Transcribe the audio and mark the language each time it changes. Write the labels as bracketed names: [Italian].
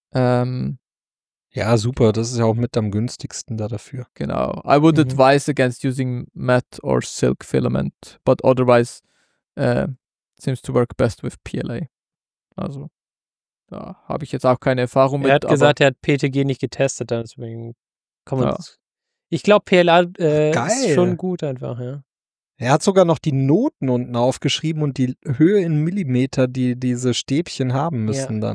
[German] Ja, super, das ist ja auch mit am günstigsten da dafür. Genau. [English] I would advise against using matte or silk filament, but otherwise seems to work best with PLA. [German] Also. Da habe ich jetzt auch keine Erfahrung mit. Er hat gesagt, er hat PETG nicht getestet, deswegen kommen wir. Ja. Ich glaube, PLA ist schon gut einfach, ja. Er hat sogar noch die Noten unten aufgeschrieben und die Höhe in Millimeter, die diese Stäbchen haben müssen dann.